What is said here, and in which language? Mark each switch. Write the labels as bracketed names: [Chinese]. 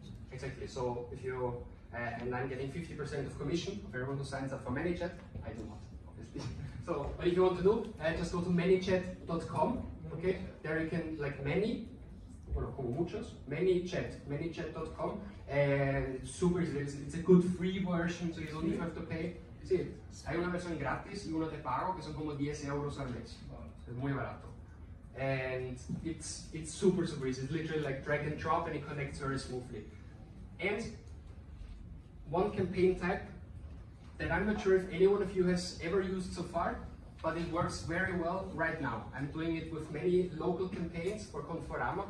[English] Exactly. So if you and I'm getting 50% of commission of everyone who signs up for ManyChat. I do not, obviously. So what if you want to do, just go to manychat.com, okay? There you can, like many, or [Spanish] como muchos, [English] manychat.com, and it's super easy. It's a good free version, so you don't even have to pay. See, [Spanish] hay una versión gratis y una de pago, que son como 10 euros al mes. Es muy barato. [English] And it's super, super easy. It's literally like drag and drop, and it connects very smoothly. And one campaign type that I'm not sure if any one of you has ever used so far, but it works very well right now. I'm doing it with many local campaigns for Conforama.